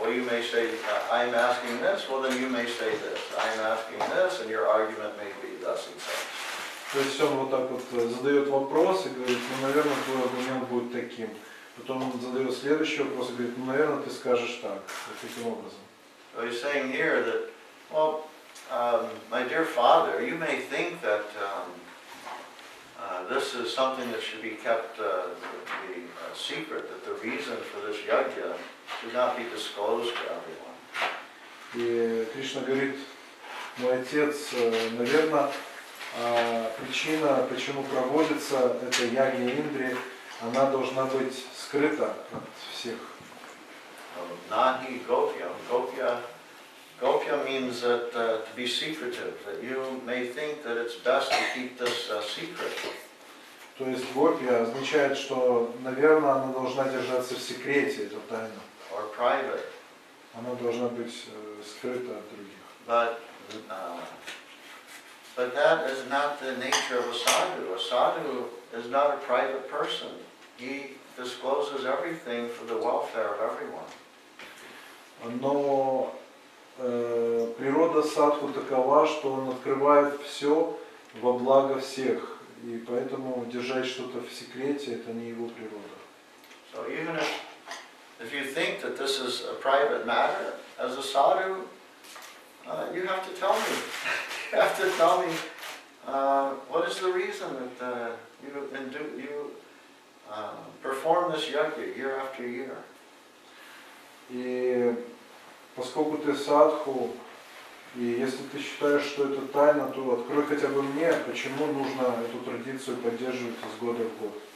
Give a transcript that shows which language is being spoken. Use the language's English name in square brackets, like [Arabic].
[English] Well, you may say, I'm asking this, well then you may say this. I'm asking this, and your argument may be thus and such. [Russian] То есть он вот так вот задает вопрос и говорит, ну, наверное, твой аргумент будет таким. Потом он задает следующий вопрос и говорит, ну, наверное, ты скажешь так, таким образом. [English] So he's saying here that, well, my dear father, you may think that this is something that should be kept a secret, that the reason for this yajna should not be disclosed to everyone. [Russian] И Кришна говорит, мой отец, наверное, причина, почему проводится эта ягья Индри, она должна быть скрыта от всех. [Sanskrit] Nahi Gopya. Gopya [English] Gopya means that to be secretive, that you may think that it's best to keep this secret. [Russian] То есть гопья означает, что, наверное, она должна держаться в секрете, эта тайна. [English] Or private. [Russian] Она должна быть скрыта от других. [English] But that is not the nature of a sadhu. A sadhu is not a private person. He discloses everything for the welfare of everyone. [Russian] Но природа садху такова, что он открывает все во благо всех. И поэтому держать что-то в секрете – это не его природа. [English] So even if you think that this is a private matter, as a sadhu, you have to tell me. You have to tell me what is the reason that you perform this yajna year after year. [Russian] И поскольку ты садху, и если ты считаешь, что это тайна, то открой хотя бы мне, почему нужно эту традицию поддерживать из года в год.